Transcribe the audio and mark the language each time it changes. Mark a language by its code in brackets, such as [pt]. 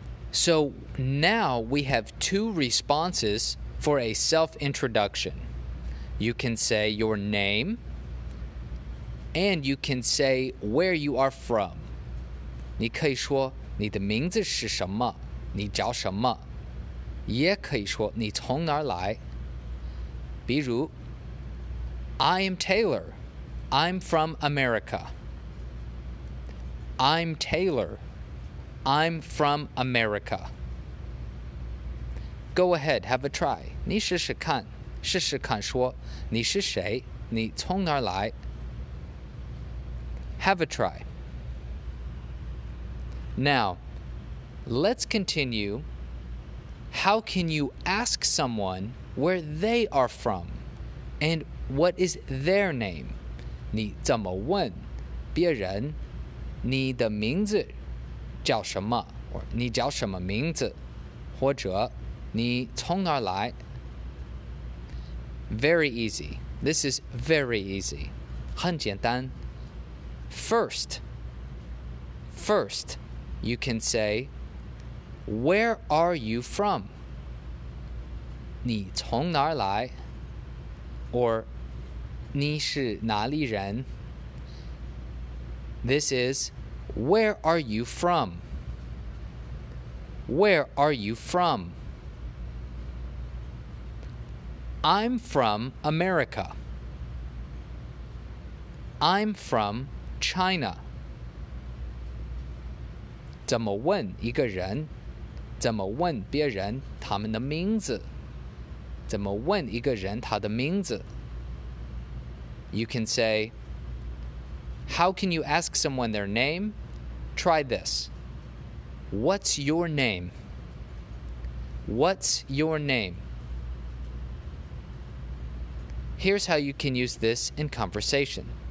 [en] So now we have two responses for a self-introduction. You can say your name, and you can say where you are from. [zh] 你可以说你的名字是什么，你叫什么，也可以说你从哪儿来。比如 [en] I am Taylor. I'm from America. I'm Taylor. I'm from America. Go ahead, have a try. [zh] 你试试看，试试看说你是谁，你从哪儿来。 [en] Have a try. Now, let's continue. How can you ask someone where they are from? And what is their name? [zh] 你怎么问别人你的名字叫什么？你叫什么名字？或者你从哪儿来？ [en] Very easy. This is very easy. [zh] 很简单。 [en] First, you can say, Where are you from? [zh] 你从哪儿来？ [en] Or [zh] 你是哪里人？ [en] This is, Where are you from? Where are you from? I'm from America. I'm from China. [zh] 怎么问一个人？怎么问别人他们的名字？怎么问一个人他的名字？ [en] You can say, How can you ask someone their name? Try this. What's your name? What's your name? Here's how you can use this in conversation.